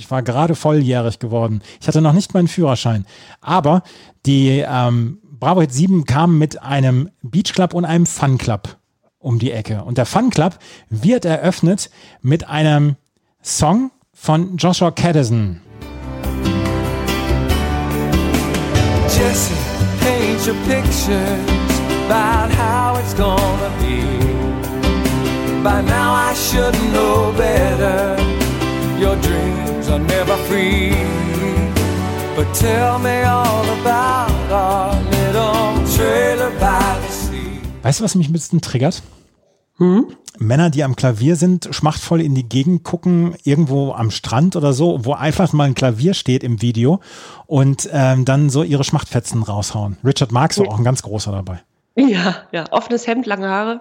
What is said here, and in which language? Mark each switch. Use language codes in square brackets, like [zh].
[de] Ich war gerade volljährig geworden. Ich hatte noch nicht meinen Führerschein. Aber die Bravo Hit 7 kam mit einem Beach Club und einem Fun Club um die Ecke. Und der Fun Club wird eröffnet mit einem Song von Joshua Caddison. [en] Jesse, paint your pictures about how it's gonna be. By now I should know better. Your dreams are never free. But tell me all about our little trailer by the sea. [de] Weißt du, was mich ein bisschen triggert? Hm? Männer, die am Klavier sind, schmachtvoll in die Gegend gucken, irgendwo am Strand oder so, wo einfach mal ein Klavier steht im Video und dann so ihre Schmachtfetzen raushauen. Richard Marx war auch ein ganz großer dabei. Ja, ja. Offenes Hemd, lange Haare.